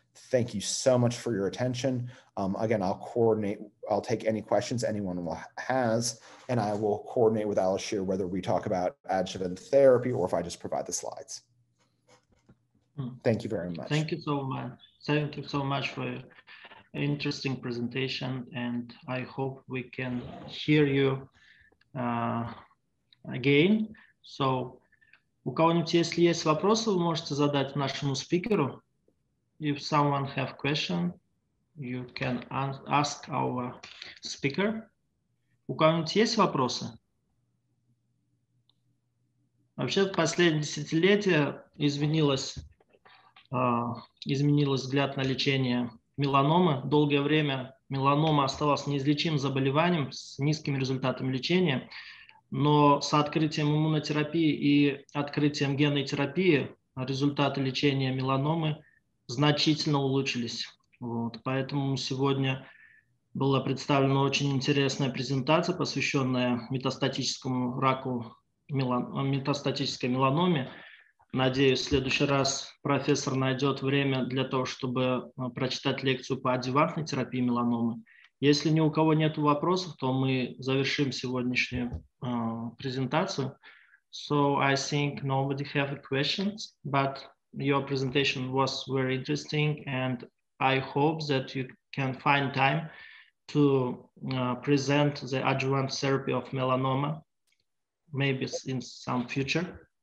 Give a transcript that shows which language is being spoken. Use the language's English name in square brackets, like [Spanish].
[English] Thank you so much for your attention. Again, I'll take any questions anyone has, and I will coordinate with Alashir whether we talk about adjuvant therapy or if I just provide the slides. Thank you very much. Thank you so much for interesting presentation, and I hope we can hear you again. [Russian] So, у кого-нибудь, если есть вопросы, вы можете задать нашему спикеру. [English] If someone have question, you can ask our speaker. [Russian] У кого-нибудь есть вопросы? Вообще, в последние десятилетия изменилось взгляд на лечение меланомы. Долгое время меланома оставалась неизлечимым заболеванием с низким результатом лечения. Но с открытием иммунотерапии и открытием генной терапии результаты лечения меланомы значительно улучшились. Вот. Поэтому сегодня была представлена очень интересная презентация, посвященная метастатическому раку, метастатической меланоме. Надеюсь, в следующий раз профессор найдет время для того, чтобы прочитать лекцию по адъювантной терапии меланомы. Если ни у кого нет вопросов, то мы завершим сегодняшнюю презентацию. [English] So I think nobody have questions, but your presentation was very interesting, and I hope that you can find time to present the adjuvant therapy of melanoma, maybe in some future.